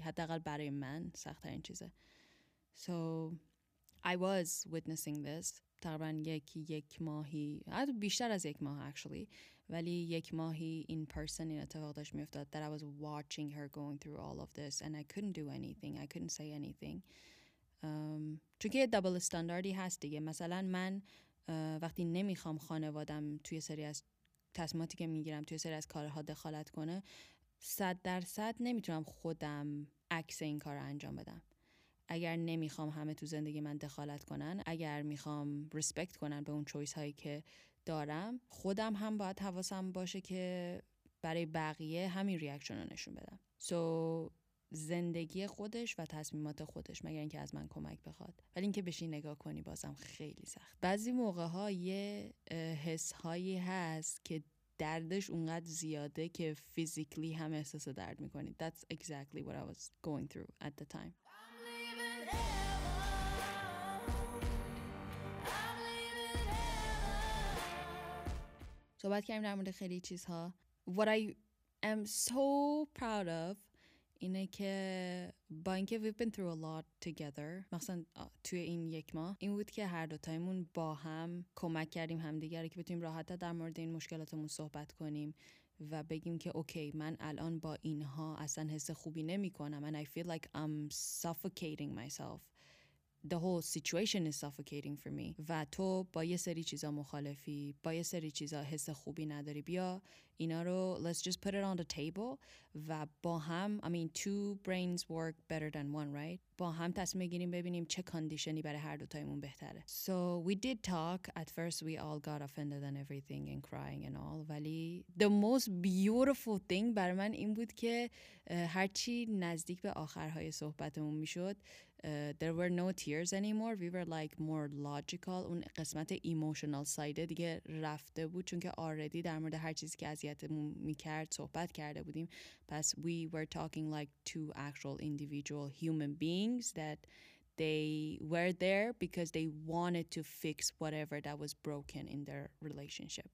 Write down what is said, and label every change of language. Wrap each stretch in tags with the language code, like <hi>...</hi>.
<fa>حداقل برای من سخت‌ترین چیزه.</fa> <en>So I was witnessing this</en> <fa>تقریبا یک ماهی، حتی بیشتر از یک ماه actually، ولی یک ماهی این پرسن این اتفاق داشت میافتاد.</fa> <en>That I was watching her going through all of this and I couldn't do anything. I couldn't say anything.</en> <fa>چون که یه دابل استانداردی هست دیگه. مثلا من وقتی نمیخوام خانوادم توی سری از تصمیماتی که میگیرم توی سری از کارها دخالت کنه، 100% نمیتونم خودم عکس این کار انجام بدم. اگر نمیخوام همه تو زندگی من دخالت کنن، اگر میخوام ریسپکت کنن به اون چویس هایی که دارم، خودم هم باید حواسم باشه که برای بقیه همین ریاکشن رو نشون بدم. So زندگی خودش و تصمیمات خودش، مگر اینکه از من کمک بخواد. ولی اینکه بشی نگاه کنی بازم خیلی سخت. بعضی موقع ها یه حس هایی هست که دردش اونقدر زیاده که فیزیکلی هم احساس درد میکنی.</fa> <en>That's exactly what I was going through at the time.</en> <fa>صحبت کردیم در مورد خیلی چیزها.</fa> <en>What I am so proud of</en> <fa>اینه که با اینکه</fa> <en>we've been through a lot together،</en> <fa>مخصوصا توی این یک ماه، این بود که هر دوتایمون با هم کمک کردیم همدیگر که بتونیم راحت در مورد این مشکلاتمون صحبت کنیم و بگیم که اوکی من الان با اینها اصلا حس خوبی نمی کنم</fa> <en>and I feel like I'm suffocating myself، the whole situation is suffocating for me.</en> <fa>و تو با یه سری چیزا مخالفی، با یه سری چیزا حس خوبی نداری، بیا اینا رو</fa> <en>let's just put it on the table</en> <fa>و با هم</fa> <en>I mean two brains work better than one right،</en> <fa>با هم تصمیم بگیریم ببینیم چه کاندیشنی برای هر دو تایمون بهتره.</fa> <en>So we did talk. At first we all got offended and everything and crying and all.</en> <fa>ولی</fa> <en>the most beautiful thing</en> <fa>برای من این بود که هرچی نزدیک به آخرهای صحبتمون میشد</fa> <en>there were no tears anymore. We were like more logical.</en> <fa>اون قسمت emotional side دیگه رفته بود چون که already در مورد هر چیزی که اذیتمون میکرد صحبت کرده بودیم.</fa> <en>پس we were talking like two actual individual human beings that they were there because they wanted to fix whatever that was broken in their relationship.</en>